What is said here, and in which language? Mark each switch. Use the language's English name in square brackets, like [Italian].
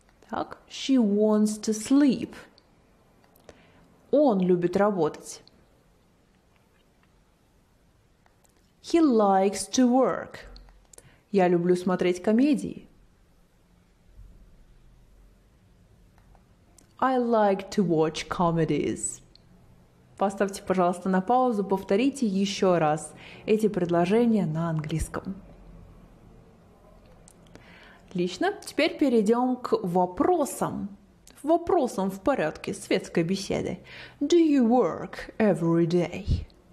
[English] Так, she wants to sleep. [Russian] Он любит работать. [English] He likes to work. [Russian] Я люблю смотреть комедии. [English] I like to watch comedies. [Russian] Поставьте, пожалуйста, на паузу, повторите еще раз эти предложения на английском. Отлично. Теперь перейдем к вопросам. Вопросом в порядке светской беседы. [English] Do you work every day?